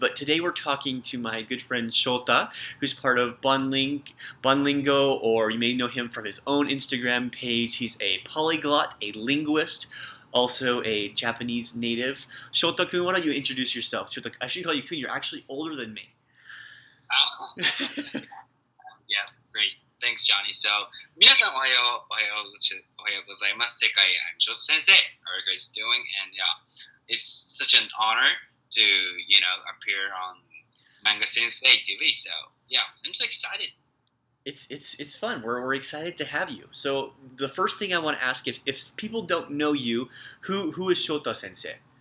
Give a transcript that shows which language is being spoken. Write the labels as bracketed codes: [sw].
[en] But today we're talking to my good friend Shota, who's part of Bunlingo, or you may know him from his own Instagram page. He's a polyglot, a linguist. Also a Japanese native. Shota-kun, why don't you introduce yourself? Shota-kun, I should call you Kun. You're actually older than me. yeah, great. Thanks, Johnny. [ja] So, 皆さん、おはようございます。 [en] 世界、I'm Shota-sensei. How are you guys doing? And yeah, it's such an honor to, you know, appear on Manga Sensei TV. So, yeah, I'm so excited. It's fun. We're excited to have you. So the first thing I want to ask, if people don't know you, who is Shota-sensei?